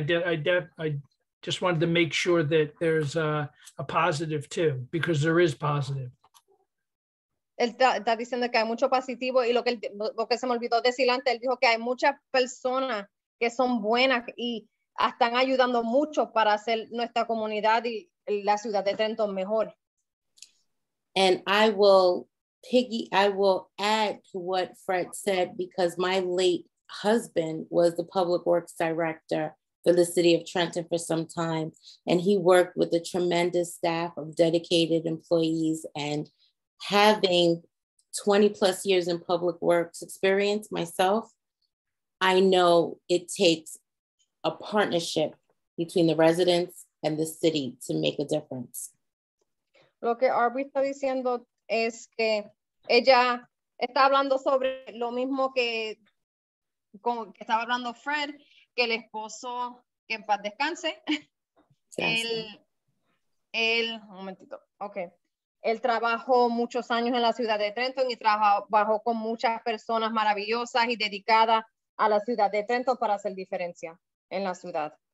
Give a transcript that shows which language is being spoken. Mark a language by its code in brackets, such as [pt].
[en] I just wanted to make sure that there's a positive too, because there is positive. [es] Él está diciendo que hay mucho positivo y lo que se me olvidó decir antes, él dijo que hay muchas personas que son buenas y están ayudando mucho para hacer nuestra comunidad y la ciudad de Trenton mejor. [en] And I will. Piggy, I will add to what Fred said because my late husband was the public works director for the city of Trenton for some time. And he worked with a tremendous staff of dedicated employees and having 20 plus years in public works experience myself, I know it takes a partnership between the residents and the city to make a difference. [es] Lo que Arby está diciendo es que ella está hablando sobre lo mismo que estaba hablando Fred, que el esposo, que en paz descanse. Él trabajó muchos años en la ciudad de Trenton y trabajó con muchas personas maravillosas y dedicadas a la ciudad de Trenton para hacer diferencia en la ciudad.